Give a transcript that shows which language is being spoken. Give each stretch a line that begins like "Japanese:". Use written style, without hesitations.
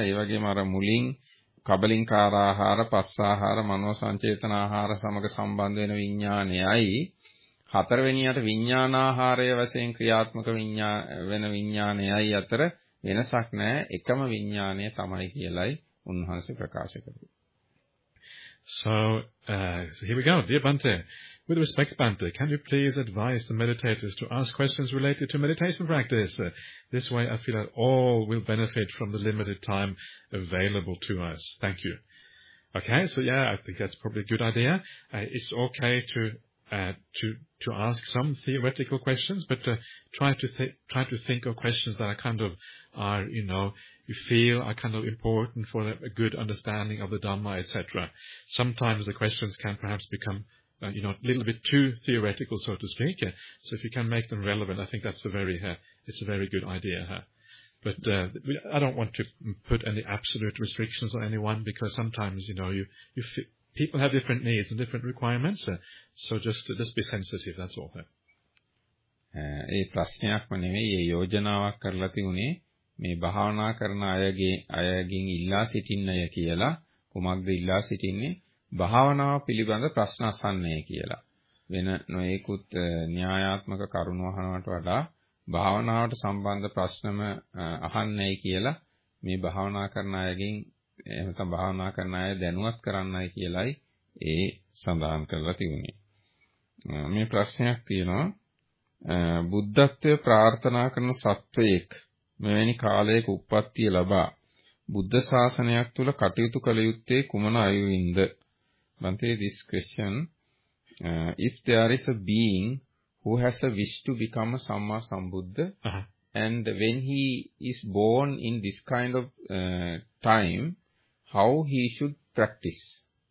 Sinhala: ඒ වගේම අර මුලින් කබලින්කාර ආහාර, පස්ස ආහාර, මනෝ සංචේතන ආහාර සමග සම්බන්ධ වෙන විඥානයයි හතරවෙනියට විඥානාහාරය වශයෙන් ක්‍රියාත්මක වෙන විඥානයයි අතර වෙනසක් නැහැ. එකම විඥානය තමයි කියලයි උන්වහන්සේ ප්‍රකාශ කරේ.
English: So here we go. Dear Bhante, with respect, Bhante, can you please advise the meditators to ask questions related to meditation practice? This way I feel that all will benefit from the limited time available to us. Thank you. Okay, so yeah, I think that's probably a good idea. It's okay to ask some theoretical questions, but try to think of questions that are kind of are, you know, you feel are kind of important for a good understanding of the Dhamma, etc. Sometimes the questions can perhaps become, you know, a little bit too theoretical, so to speak. So if you can make them relevant, I think that's a very good idea. But I don't want to put any absolute restrictions on anyone, because sometimes, you know, people have different needs and different requirements. So just be sensitive, that's all.
Sinhala: ඒ ප්‍රශ්නයක්ම නෙවෙයි, ඒ යෝජනාවක් කරලා තිබුණේ මේ භාවනා කරන අයගෙන් ඉල්ලා සිටින්නේ කියලා. කුමක්ද ඉල්ලා සිටින්නේ? භාවනාව පිළිබඳ ප්‍රශ්න අසන්නේ කියලා. වෙන නොයෙකුත් න්‍යායාත්මක කරුණු අහනවට වඩා භාවනාවට සම්බන්ධ ප්‍රශ්නම අහන්නයි කියලා මේ භාවනා කරන අයගෙන්, එහෙම නැත්නම් භාවනා කරන අය දැනුවත් කරන්නයි කියලයි ඒ සඳහන් කරලා තියුනේ. මේ ප්‍රශ්නයක් තියෙනවා. බුද්ධත්වයේ ප්‍රාර්ථනා කරන සත්වයෙක් මෙවැනි කාලයක උප්පත්තිය ලබා බුද්ධ ශාසනයක් තුල කටයුතු කළ යුත්තේ කුමන අයවින්ද?
English: Bhante, this question, if there is a being who has a wish to become a Samma Sambuddha, and when he is born in this kind of time, how he should practice?